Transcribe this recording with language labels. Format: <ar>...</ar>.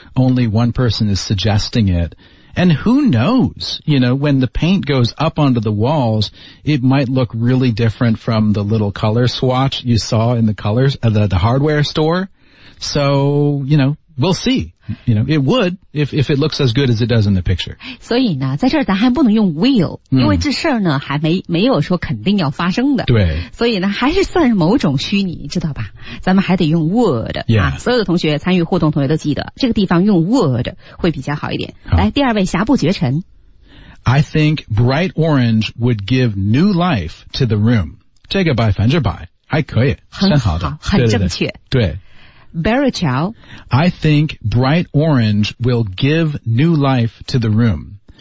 <en>Only one person is suggesting it. And who knows, you know, when the paint goes up onto the walls, it might look really different from the little color swatch you saw in the colors of the hardware store. So, you know, we'll see. You know, it would if it looks as good as it does in the picture.</en> <zh>所以呢，在这儿咱还不能用 will，因为这事儿呢还没有说肯定要发生的。对。所以呢，还是算是某种虚拟，知道吧？咱们还得用 would、</zh> <en>yeah. 啊。</en> <zh>所有的同学参与互动，同学都记得这个地方用 would 会比较好一点。好来，第二位，霞不绝尘。</zh> <en>I think bright orange would give new life to the room.</en> <zh>这个百分之百还可以，很好的，很正确。对。 Barichow.</zh> <en>I think bright orange will give new life to the room.</en>